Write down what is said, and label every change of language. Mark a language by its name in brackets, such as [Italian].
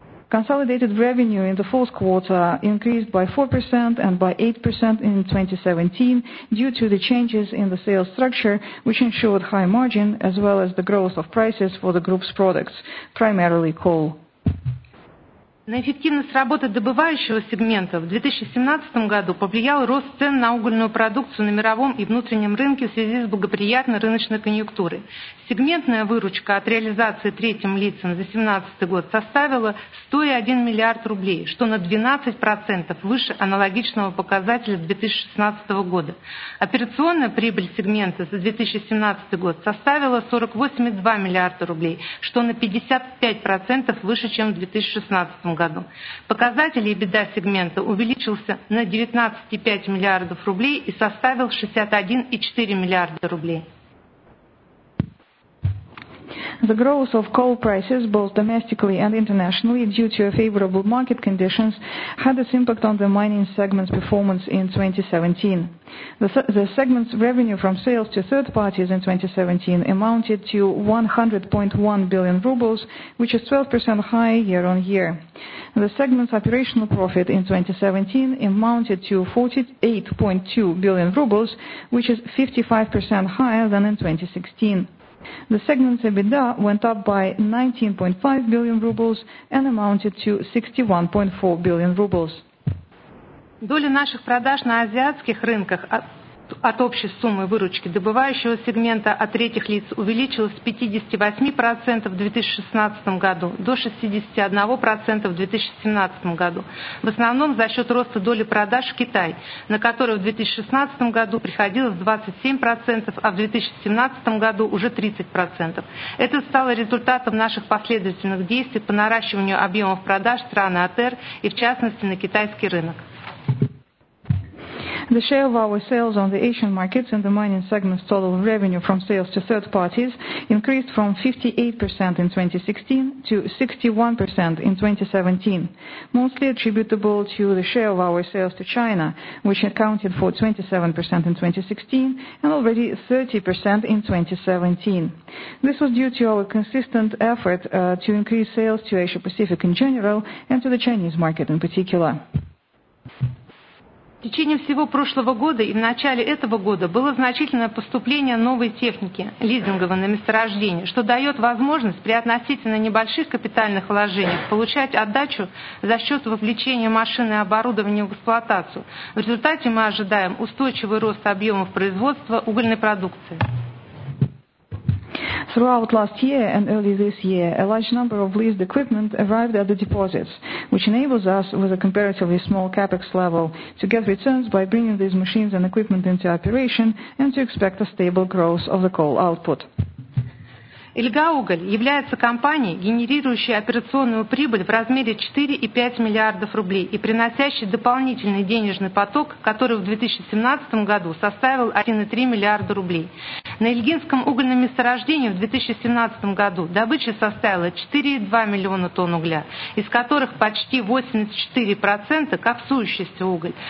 [English] Consolidated revenue in the fourth quarter increased by 4% and by 8% in 2017 due to the changes in the sales structure, which ensured high margin, as well as the growth of prices for the group's products, primarily coal. [Russian] На эффективность работы добывающего сегмента в 2017 году повлиял рост цен на угольную продукцию на мировом и внутреннем рынке в связи с благоприятной рыночной конъюнктурой. Сегментная выручка от реализации третьим лицам за 2017 год составила 101 миллиард рублей, что на 12% выше аналогичного показателя 2016 года. Операционная прибыль сегмента за 2017 год составила 48,2 миллиарда рублей, что на 55% выше, чем в 2016 году. Году. Показатель EBITDA сегмента увеличился на 19,5 миллиардов рублей и составил 61,4 миллиарда рублей. [English] The growth of coal prices, both domestically and internationally, due to favorable market conditions, had its impact on the mining segment's performance in 2017. The segment's revenue from sales to third parties in 2017 amounted to 100.1 billion rubles, which is 12% higher year on year. The segment's operational profit in 2017 amounted to 48.2 billion rubles, which is 55% higher than in 2016. The segment's EBITDA went up by 19.5 billion rubles and amounted to 61.4 billion rubles. [Russian] Доля наших продаж на азиатских рынках от общей суммы выручки добывающего сегмента от третьих лиц увеличилась с 58% в 2016 году до 61% в 2017 году, в основном за счет роста доли продаж в Китай, на который в 2016 году приходилось 27%, а в 2017 году уже 30%. Это стало результатом наших последовательных действий по наращиванию объемов продаж страны АТР и, в частности, на китайский рынок. [English] The share of our sales on the Asian markets in the mining segment's total revenue from sales to third parties increased from 58% in 2016 to 61% in 2017, mostly attributable to the share of our sales to China, which accounted for 27% in 2016 and already 30% in 2017. This was due to our consistent effort to increase sales to Asia-Pacific in general and to the Chinese market in particular. [Russian] В течение всего прошлого года и в начале этого года было значительное поступление новой техники, лизинговой на месторождение, что дает возможность при относительно небольших капитальных вложениях получать отдачу за счет вовлечения машин и оборудования в эксплуатацию. В результате мы ожидаем устойчивый рост объемов производства угольной продукции. [English] Throughout last year and early this year, a large number of leased equipment arrived at the deposits, which enables us, with a comparatively small capex level, to get returns by bringing these machines and equipment into operation and to expect a stable growth of the coal output. [Russian] Ильга Уголь является компанией, генерирующей операционную прибыль в размере 4,5 миллиардов рублей и приносящей дополнительный денежный поток, который в 2017 году составил 1,3 миллиарда рублей. На Ильгинском угольном месторождении в 2017 году добыча составила 4,2 миллиона тонн угля, из которых почти 84% коксующийся уголь.